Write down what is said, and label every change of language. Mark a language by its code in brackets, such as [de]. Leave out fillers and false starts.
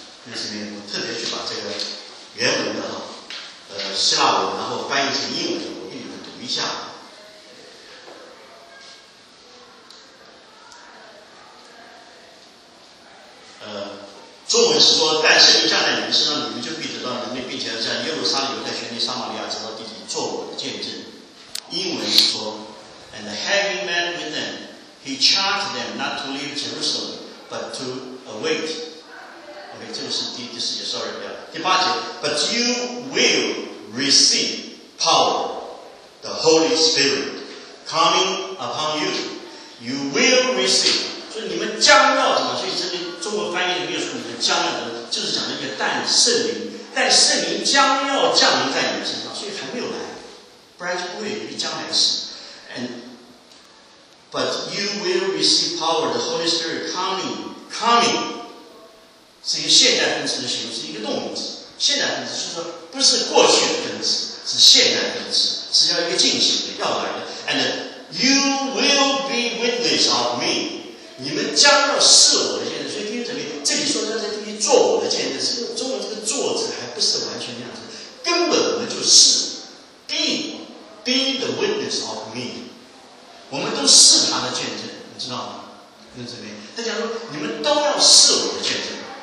[zh] 那这边我特别去把这个原文的希腊文，然后翻译成英文，我给你们读一下。中文是说，但圣灵降在你们身上，你们就必得到能力，并且要在耶路撒冷、犹太、全地、撒玛利亚，直到地底，做我的见证。英文是说 [en] ，And having met with them。 He charged them not to leave Jerusalem, but to await. [zh] Okay, 这个是第四节 ，sorry， 不要。第八节 [en] ，But you will receive power, the Holy Spirit coming upon you. You will receive. [zh] 所以你们将要怎么？所以这边中文翻译里面说你们将要的，就是讲那个但圣灵将要降临在你们身上，所以还没有来，不然就不会有一个将来的事。 [en] But you will receive power, the Holy Spirit coming. [zh] 是一个现代分词的形容，是一个动名词。现代分词是说不是过去的分词，是现代分词，是要一个进行的，要来的。 [en] And you will be witness of me. [zh] 你们将要是我的见证。所以听这里，这里说他在这里做我的见证，这个中文这个作者还不是完全那样子，根本我们就是 [en] be the witness of me. [zh] 我们都是他的见证，你知道吗？那这边他讲说，你们都要是我的见证。